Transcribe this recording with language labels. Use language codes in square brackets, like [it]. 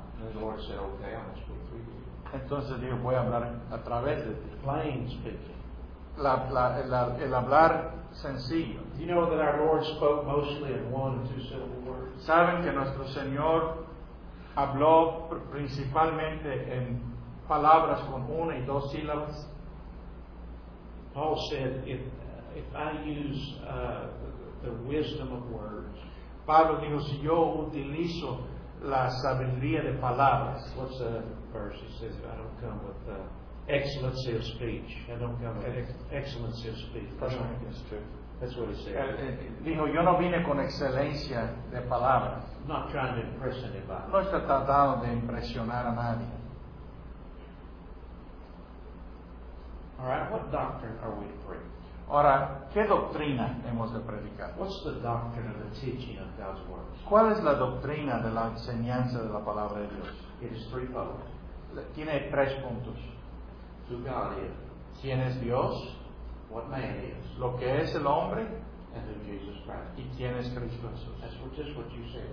[en] And the Lord said, okay, I'm going to speak through you. [es] Entonces dijo, voy a hablar a través de ti. [en] Plain speaking. [es] El hablar sencillo. [en] Do you know that our Lord spoke mostly in one and two syllable words? [es] ¿Saben que nuestro Señor habló principalmente en palabras con una y dos sílabas? [en] Paul said, if I use the wisdom of words. [es] Pablo dijo, si yo utilizo la sabiduría de palabras. [en] What's the verse? He says, I don't come with the excellency of speech. I don't come with excellency of speech. That's right. That's true. That's what he said. [es] Dijo, yo no vine con excelencia de palabras. [en] Not trying to impress anybody. [es] No está tratando de impresionar a nadie. [en] All right, what doctrine are we to preach? [es] Ahora, ¿qué doctrina hemos de predicar? [en] What's the doctrine of the teaching of God's word? [es] ¿Cuál es la doctrina de la enseñanza de la palabra de Dios? [en] It is threefold. [es] Tiene tres puntos. [en] Who God is. [es] ¿Quién es Dios? [en] What man is. [es] ¿Lo que es el hombre? [en] And who Jesus Christ. [es] ¿Y quién es Cristo Jesús? [en] That's just what you said.